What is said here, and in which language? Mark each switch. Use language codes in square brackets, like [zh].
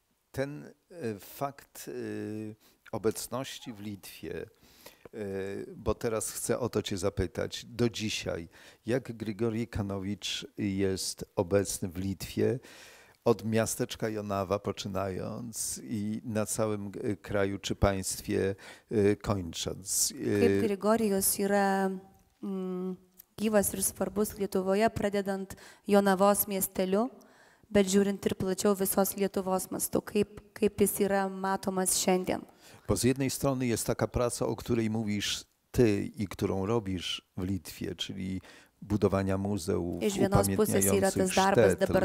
[pl] Ten fakt obecności w Litwie, bo teraz chcę o to cię zapytać, do dzisiaj, jak Grigorij Kanowicz jest obecny w Litwie? od miasteczka Jonawa poczynając i na całym kraju czy państwie kończąc. [lt] Kaip Grigorijus yra gyvas ir svarbus Lietuvoje, pradedant Jonavos miesteliu, bet žiūrint ir plačiau visos Lietuvos mastu, kaip jis yra matomas šiandien. [pl] Bo z jednej strony jest taka praca, o której mówisz ty i którą robisz w Litwie, czyli budowania muzeów, upamiętniających sztetl.